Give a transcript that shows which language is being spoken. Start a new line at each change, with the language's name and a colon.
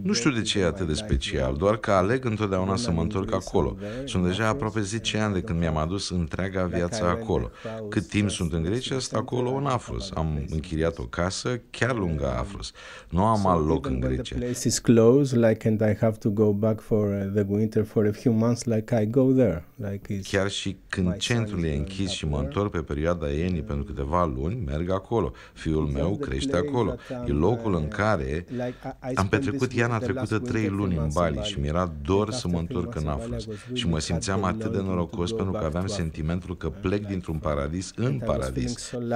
Romanian: nu știu de ce e atât de special, doar că aleg întotdeauna să mă întorc acolo. Sunt deja aproape 10 ani de când mi-am adus întreaga viață acolo. Cât timp sunt în Grecia, sunt acolo în Afros. Am închiriat o casă chiar lângă Afros. Nu am alt loc în Grecia.
English: The place is close, like, and I have to go back for the winter for a few months, like I go there.
Romanian: Chiar și când centrul e închis și mă întorc pe perioada ienii pentru câteva luni, merg acolo. Fiul meu crește acolo. E locul în care am petrecut iarna trecută 3 luni în Bali și mi-era dor să mă întorc în Afros. Și mă simțeam atât de norocos pentru că aveam sentimentul că plec dintr-un paradis în paradis.